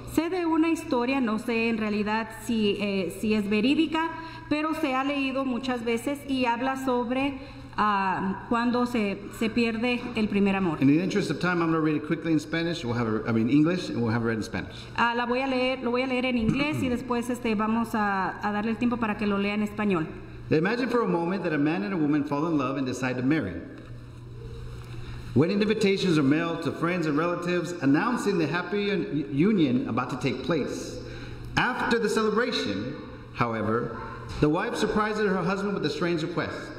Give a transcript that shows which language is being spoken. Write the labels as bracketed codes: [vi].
[es] Sé de una historia, no sé en realidad si es verídica, pero se ha leído muchas veces y habla sobre cuando se pierde el primer amor. [en] In the interest of time, I'm going to read it quickly in Spanish. English, and we'll have it read in Spanish. [es] Lo voy a leer en inglés y después vamos a darle el tiempo para que lo lea en español. [en] Imagine for a moment that a man and a woman fall in love and decide to marry. Wedding invitations are mailed to friends and relatives announcing the happy union about to take place. After the celebration, however, the wife surprises her husband with a strange request.